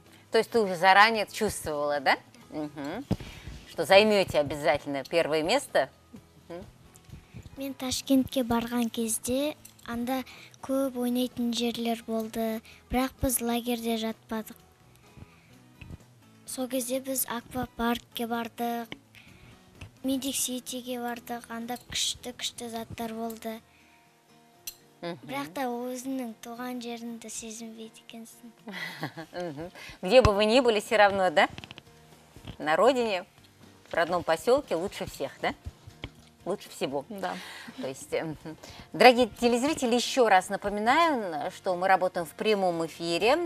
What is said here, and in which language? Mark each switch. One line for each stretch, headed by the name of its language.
Russian: То есть ты уже заранее чувствовала, да? Что займете обязательно первое место?
Kazakh: Мен Ташкентке барған кезде, анда көп ойнайтын жерлер болды, бірақ біз лагерде жатпадық. Со кезде біз аквапаркке бардық. Медик Ситиге бардық, анда күшті заттар болды. Бірақ та өзінің туған жерінді сезінбейді екенсің.
Russian: Где бы вы ни были, все равно, да? На родине, в родном поселке лучше всех, да? Лучше всего. Да. То есть, дорогие телезрители, еще раз напоминаю, что мы работаем в прямом эфире.